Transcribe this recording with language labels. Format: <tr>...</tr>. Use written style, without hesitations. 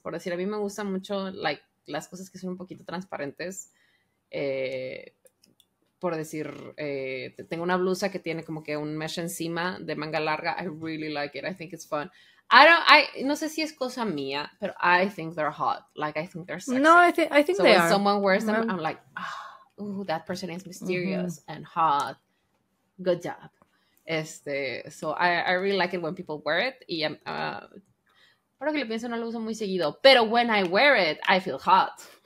<es>Por decir, a mí me gustan mucho like las cosas que son un poquito transparentes. Por decir, tengo una blusa que tiene como que un mesh encima de manga larga.</es> <en>I really like it. I think it's fun.</en> <es>No sé si es cosa mía,</es> <en>pero I think they're hot. Like, I think they're sexy. No, I think so they are. So when someone wears them, I'm like, ooh, that person is mysterious and hot. Good job. So I really like it when people wear it.</en> <es>Y ahora que lo pienso, no lo uso muy seguido.</es> <en>Pero when I wear it, I feel hot.</en>